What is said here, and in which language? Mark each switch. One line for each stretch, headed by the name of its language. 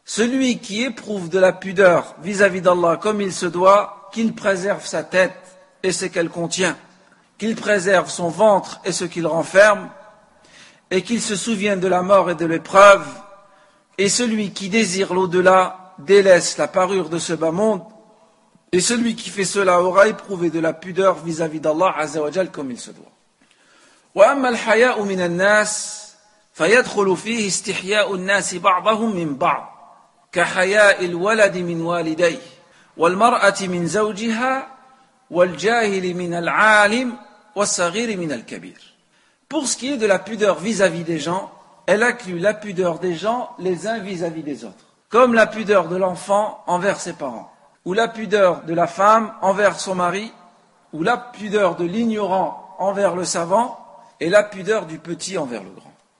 French: Celui qui éprouve de la pudeur vis-à-vis d'Allah comme il se doit, qu'il préserve sa tête et ce qu'elle contient, qu'il préserve son ventre et ce qu'il renferme, et qu'il se souvienne de la mort et de l'épreuve, et celui qui désire l'au-delà délaisse la parure de ce bas monde Et celui qui fait cela aura éprouvé de la pudeur vis-à-vis d'Allah Azza wa Jal comme il se doit.
Arabic: وأما الحياء من الناس فيدخل فيه استحياء الناس بعضهم من بعض كحياء الولد من والديه والمرأة من زوجها والجاهل من العالم والصغير من الكبير.
French: Pour ce qui est de la pudeur vis-à-vis des gens, elle inclut la pudeur des gens les uns vis-à-vis des autres, comme la pudeur de l'enfant envers ses parents, ou la pudeur de la femme envers son mari, ou la pudeur de l'ignorant envers le savant, et la pudeur du petit envers le grand.